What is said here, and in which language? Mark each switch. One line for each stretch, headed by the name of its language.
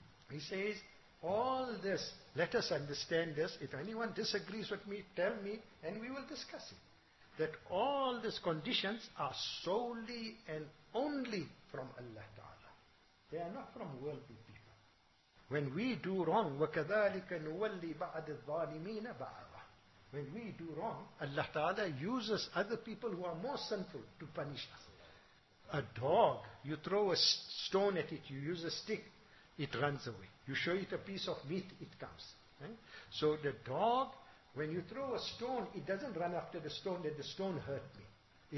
English: He says, all this, let us understand this. If anyone disagrees with me, tell me, and we will discuss it. That all these conditions are solely and only from Allah Ta'ala. They are not from worldly people. When we do wrong,
Arabic: وَكَذَلِكَ نُوَلِّي بَعْدِ الظَّالِمِينَ بَعْضًا.
English: When we do wrong, Allah Ta'ala uses other people who are more sinful to punish us. A dog, you throw a stone at it, you use a stick, it runs away. You show it a piece of meat, it comes. So the dog, when you throw a stone, it doesn't run after the stone that the stone hurt me.